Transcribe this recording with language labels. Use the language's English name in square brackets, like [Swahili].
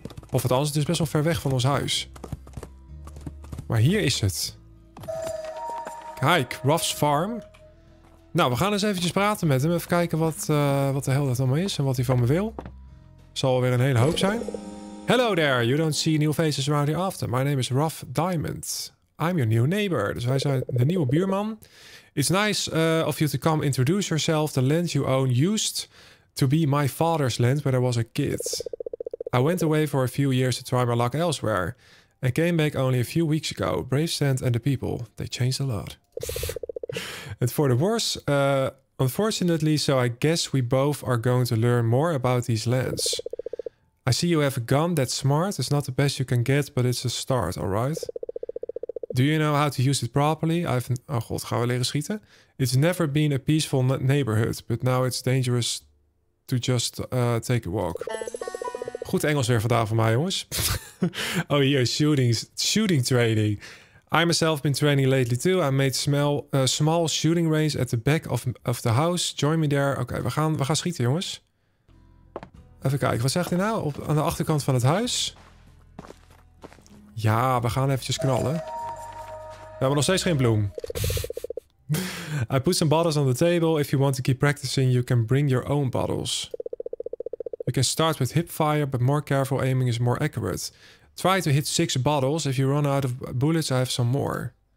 [Dutch] Of althans, het is best wel ver weg van ons huis. Maar hier is het. Kijk, Ruff's Farm. Nou, we gaan eens eventjes praten met hem. Even kijken wat de hel dat allemaal is en wat hij van me wil. Zal weer een hele hoop zijn. [English] Hello there, you don't see new faces around here often. My name is Ruff Diamond. I'm your new neighbor. [Dutch] Dus wij zijn de nieuwe buurman. [English] It's nice of you to come introduce yourself. The land you own used to be my father's land when I was a kid. I went away for a few years to try my luck elsewhere. And came back only a few weeks ago. Brave Sand and the people, they changed a lot. And for the worse, unfortunately, so I guess we both are going to learn more about these lands. I see you have a gun that's smart. It's not the best you can get, but it's a start, all right? Do you know how to use it properly? Oh god, [Dutch] gaan we leren schieten? [English] It's never been a peaceful neighborhood, but now it's dangerous to just take a walk. [Dutch] Goed Engels weer vandaag voor mij, jongens. [English] Oh, hier, shooting training. I myself been training lately too. I made small shooting range at the back of the house. Join me there. [Dutch] Oké, we gaan schieten, jongens. Even kijken, wat zegt hij nou? Aan de achterkant van het huis. Ja, we gaan eventjes knallen. We hebben nog steeds geen bloem. [English] I put some bottles on the table. If you want to keep practicing, you can bring your own bottles. You can start with hip fire, but more careful aiming is more accurate. Try to hit 6 bottles. If you run out of bullets, I have some more.